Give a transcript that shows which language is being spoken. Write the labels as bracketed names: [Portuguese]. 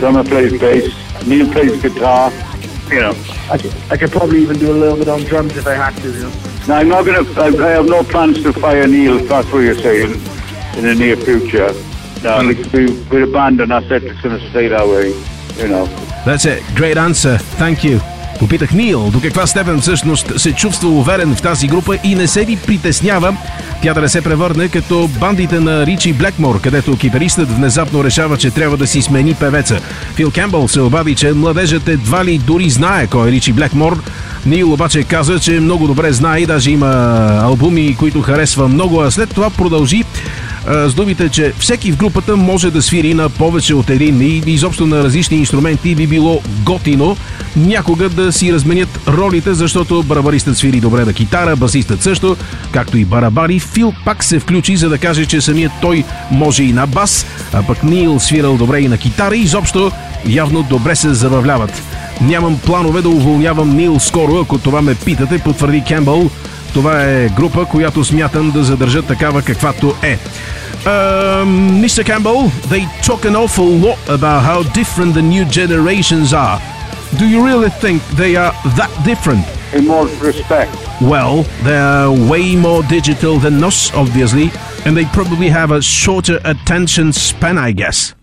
[English] Drummer plays bass, Neil plays guitar, you know. I could probably even do a little bit on drums if I had to, you know. No, I'm not going to, I have no plans to fire Neil, if that's what you're saying, in the near future. No, we're a band and our set is going to stay that way. You know. That's it. Great answer. Thank you. [Bulgarian] Попитах Нил до каква степен всъщност се чувства уверен в тази група и не се ли притеснява тя да не се превърне като бандите на Ричи Блекмор, където кипаристът внезапно решава, че трябва да си смени певеца. Фил Кембъл се обади, че младежът едва ли дори знае кой е Ричи Блекмор. Нил обаче каза, че много добре знае и даже има албуми, които харесва много, а след това продължи с думите, че всеки в групата може да свири на повече от един и изобщо на различни инструменти би било готино някога да си разменят ролите, защото барабаристът свири добре на китара, басистът също, както и барабари. Фил пак се включи, за да каже, че самият той може и на бас, а пък Нил свирал добре и на китара и изобщо явно добре се забавляват. Нямам планове да уволнявам Нил скоро, ако това ме питате, потвърди Кембъл. Това е група, която смятам да задържа такава каквато е. [English] Mr. Кембъл, they talk an awful lot about how different the new generations are. Do you really think they are that different? In more respect. Well, they are way more digital than us, obviously, and they probably have a shorter attention span, I guess.